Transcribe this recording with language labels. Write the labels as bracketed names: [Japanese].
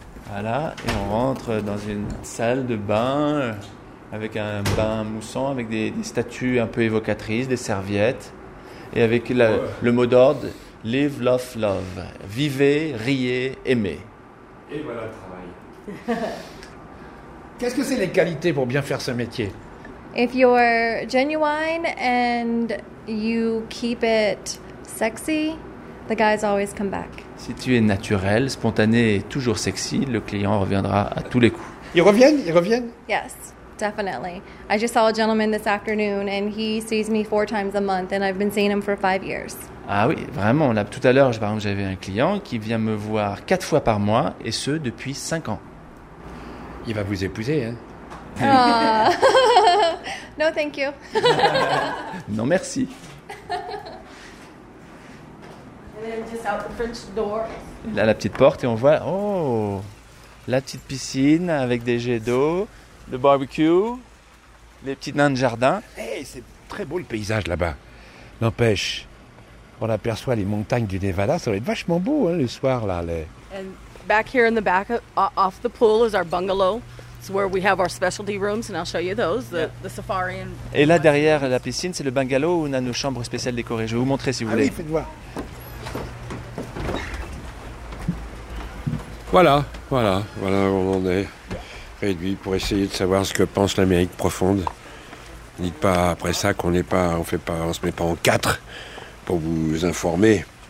[French] Voilà, et on rentre dans une salle de bain avec un bain moussant, avec des statues un peu évocatrices, des serviettes, et avec le mot d'ordre « [English] Live, love, love ». [French] Vivez, riez, aimez. Et voilà le travail. Qu'est-ce que c'est les qualités pour bien faire ce métier ? [English] If you're genuine and you keep it sexy, the guys always come back. [French] Si tu es naturel, spontané et toujours sexy, le client reviendra à tous les coups. Ils reviennent? [English] Yes, definitely. I just saw a gentleman this afternoon and he sees me 4 times a month and I've been seeing him for 5 years. [French] Ah oui, vraiment. Là, tout à l'heure, par exemple, j'avais un client qui vient me voir 4 fois par mois et ce, depuis 5 ans. Il va vous épouser, hein? [English] No, thank you. [French] Non, merci. Là, la petite porte et on voit, oh, la petite piscine avec des jets d'eau, le barbecue, les petits nains de jardin. Hey, c'est très beau le paysage là-bas. N'empêche, on aperçoit les montagnes du Nevada, ça va être vachement beau hein, le soir là. [English] And back here in the back, off the pool, is our bungalow. It's where we have our specialty rooms, and I'll show you those, the safari. And... [French] Et là derrière la piscine, c'est le bungalow où on a nos chambres spéciales décorées. Je vais vous montrer si vous voulez. Ah oui, faites voir. Voilà où on en est, réduit pour essayer de savoir ce que pense l'Amérique profonde. Dites pas après ça qu'on n'est pas, on fait pas, on se met pas en quatre pour vous informer.